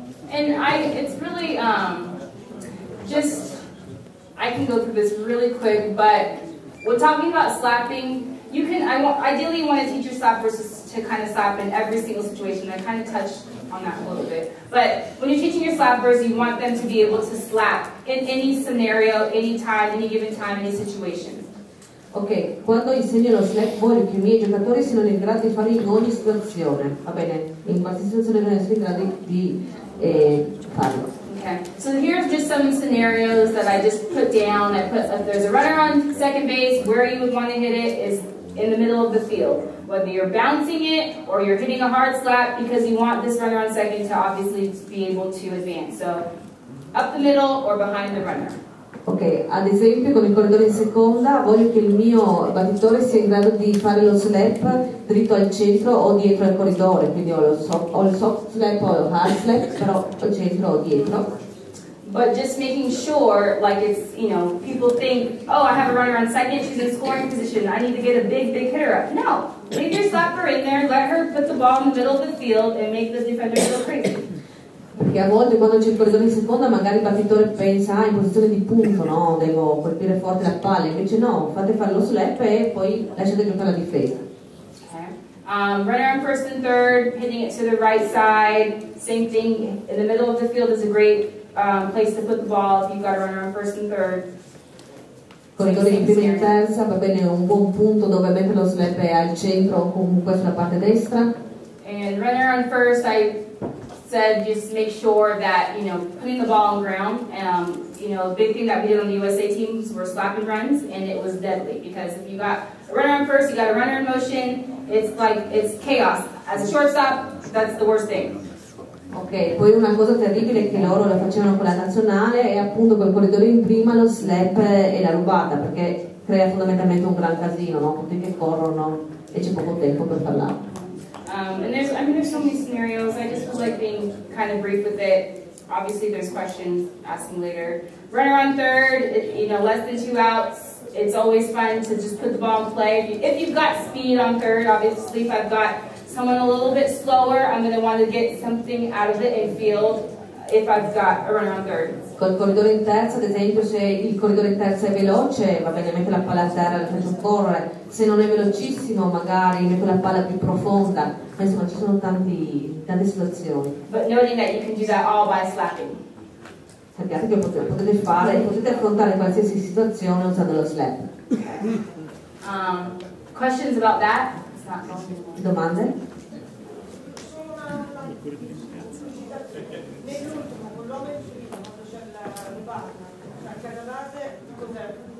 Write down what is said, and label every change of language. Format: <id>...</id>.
<en>And I, it's really, just, I can go through this really quick, but when talking about slapping, you can, ideally you want to teach your slappers to kind of slap in every single situation. I kind of touched on that a little bit. But when you're teaching your slappers, you want them to be able to slap in any scenario, any time, any given time, any situation.</en> <it>Ok, quando insegno lo slap, voglio che i miei giocatori siano in grado di farlo in ogni situazione, va bene? In qualsiasi situazione non sono in grado di farlo.</it> <en>Ok, so here are just some scenarios that I just put down. I put, if there's a runner on second base, where you would want to hit it is in the middle of the field. Whether you're bouncing it or you're hitting a hard slap, because you want this runner on second to obviously be able to advance. So, up the middle or behind the runner.</en> <it>Ok, ad esempio con il corridore in seconda voglio che il mio battitore sia in grado di fare lo slap dritto al centro o dietro al corridore, quindi ho il soft slap o il hard slap, però al centro o dietro.</it> <en>But just making sure, like it's, you know, people think, oh I have a runner on second, she's in scoring position, I need to get a big, big hitter up. No, leave your slapper in there, let her put the ball in the middle of the field and make the defender go crazy.</en> <it>Perché a volte quando c'è il corridore in seconda magari il battitore pensa in posizione di punto, no? Devo colpire forte la palla, invece no, fate fare lo slap e poi lasciate giocare la difesa.</it> <en>Okay. Runner on first and third, hitting it to the right side. Same thing, in the middle of the field is a great place to put the ball if you've got a runner on first and third.</en> <it>Corridore in prima e in terza, va bene, un buon punto dove mettere lo slap è al centro o comunque sulla parte destra.</it> <en>And runner on first, I said just make sure that, you know, putting the ball on ground. You know, big thing that we did on the USA teams were slapping runs, and it was deadly because if you got a runner on first, you got a runner in motion, it's like, it's chaos. As a shortstop, that's the worst thing.</en> <it>Ok, poi una cosa terribile è che loro la facevano con la nazionale e appunto quel corridore in prima lo slap e la rubata perché crea fondamentalmente un gran casino, no? Tutti che corrono e c'è poco tempo per parlare.</it> <en>And there's, I mean, there's so many scenarios, I just feel like being kind of brief with it. Obviously there's questions asking later. Runner on third, you know, less than two outs, it's always fun to just put the ball in play. If you've got speed on third, obviously if I've got someone a little bit slower, I'm going to want to get something out of the infield if I've got a runner on third.</en> <it>Col corridore in terza, ad esempio, se il corridore in terza è veloce, va bene, metto la palla a terra, la faccio correre. Se non è velocissimo, magari metto la palla più profonda. Ma insomma, ci sono tante situazioni.</it> <en>But noting that you can do that all by slapping.</en> <it>Sappiate che potete fare, potete affrontare qualsiasi situazione usando lo slap.</it> <en>Okay. Questions about that?</en> <it>Domande? Nell'ultimo, con l'uomo in cilindro, quando c'è la rubata, cioè la base, cos'è?</it>